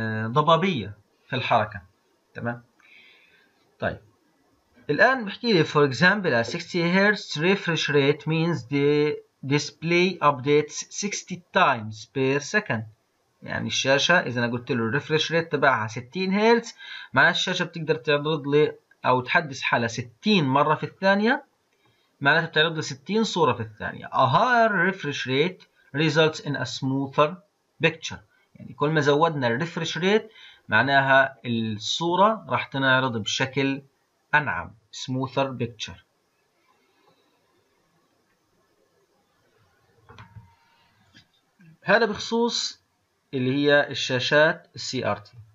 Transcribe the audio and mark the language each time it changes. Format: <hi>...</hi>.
<ar>ضبابية في الحركة، تمام؟ طيب الآن بحكي لي</ar> <en>for example a 60 Hz refresh rate means the display updates 60 times per second.</en> <ar>يعني الشاشة إذا أنا قلت له الريفرش ريت تبعها 60 هرتز، معناها الشاشة بتقدر تعرض لي أو تحدث حالها 60 مرة في الثانية، معناتها بتعرض لي 60 صورة في الثانية.</ar> <en>A higher refresh rate results in a smoother picture.</en> <ar>يعني كل ما زودنا الريفرش ريت معناها الصورة راح تنعرض بشكل أنعم،</ar> <en>smoother picture.</en> <ar>هذا بخصوص اللي هي الشاشات CRT.</ar>